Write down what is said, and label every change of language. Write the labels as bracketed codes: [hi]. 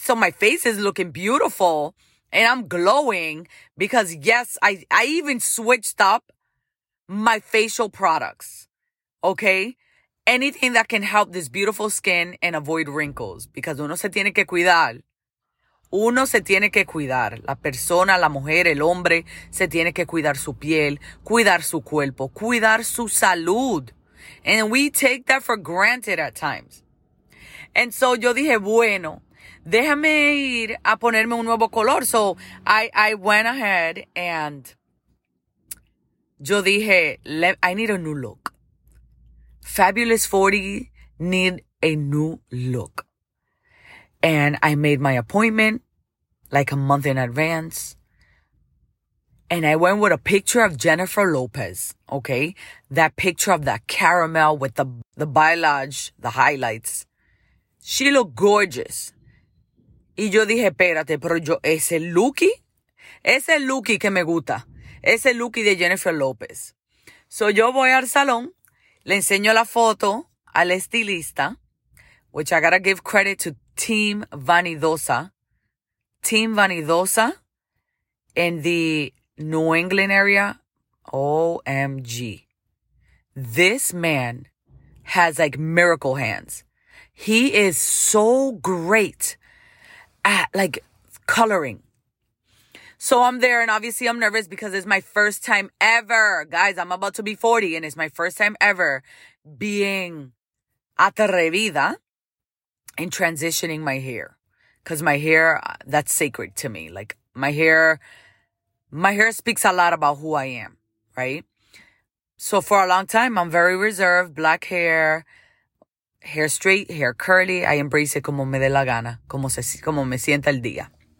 [en] So my face is looking beautiful. And I'm glowing because, yes, I even switched up my facial products, okay? Anything that can help this beautiful skin and avoid wrinkles. Because [es] uno se tiene que cuidar. Uno se tiene que cuidar. La persona, la mujer, el hombre, se tiene que cuidar su piel, cuidar su cuerpo, cuidar su salud. [en] And we take that for granted at times. And so [es] yo dije, bueno, déjame ir a ponerme un nuevo color. [en] So I went ahead and [es] yo dije, [en] I need a new look. Fabulous 40 need a new look. And I made my appointment like a month in advance. And I went with a picture of Jennifer Lopez, okay? That picture of that caramel with the highlights. She looked gorgeous. [es] Y yo dije, espérate, pero yo, ese Lucky que me gusta, ese Lucky de Jennifer López. [en] So [es] yo voy al salón, le enseño la foto al estilista, [en] which I gotta give credit to [es] Team Vanidosa. [en] Team Vanidosa in the New England area. OMG. This man has like miracle hands. He is so great at like coloring. So I'm there and obviously I'm nervous because it's my first time ever. Guys, I'm about to be 40 and it's my first time ever being atrevida and transitioning my hair. Because my hair, that's sacred to me. Like my hair speaks a lot about who I am, right? So for a long time, I'm very reserved, black hair. Hair straight, hair curly. I embrace it [es] como me dé la gana, como me sienta el día.